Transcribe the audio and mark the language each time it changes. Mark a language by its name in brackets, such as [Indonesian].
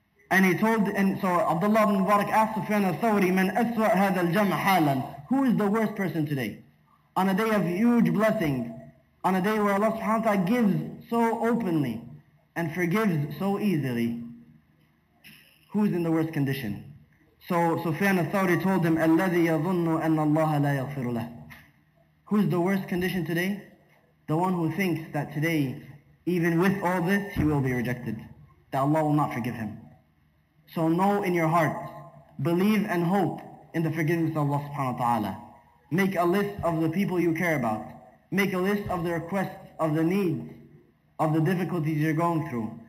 [English] And he told, and so Abdullah ibn Mubarak asked Sufyan al-Thawri, [Arabic] من أسوأ هذا الجمع حالا? [English] Who is the worst person today? On a day of huge blessing, on a day where Allah subhanahu wa ta'ala gives so openly and forgives so easily, who is in the worst condition? So Sufyan al-Thawri told him, [Arabic] الذي يظن أن الله لا يغفر له. [English] Who is the worst condition today? The one who thinks that today, even with all this, he will be rejected. That Allah will not forgive him. So know in your heart, believe and hope in the forgiveness of Allah subhanahu wa ta'ala. Make a list of the people you care about. Make a list of the requests, of the needs, of the difficulties you're going through.